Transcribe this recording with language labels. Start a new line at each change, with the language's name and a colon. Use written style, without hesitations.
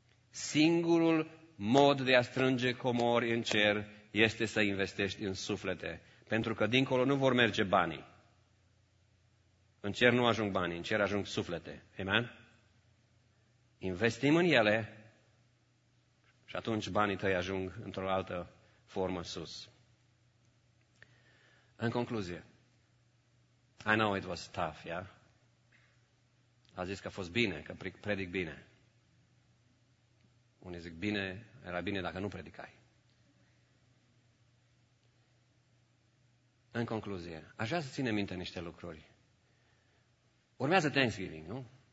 Romanian: Singurul mod de a strânge comori în cer este să investești în suflete, pentru că dincolo nu vor merge banii. În cer nu ajung banii, în cer ajung suflete. Amen? Investim în ele și atunci banii tăi ajung într-o altă formă sus. În concluzie,
English: I know it was tough, yeah?
Romanian: A zis că a fost bine, că predic bine. Unii zic bine, era bine dacă nu predicai. În concluzie, aș vrea să ținem minte niște lucruri. Urmează Thanksgiving, nu?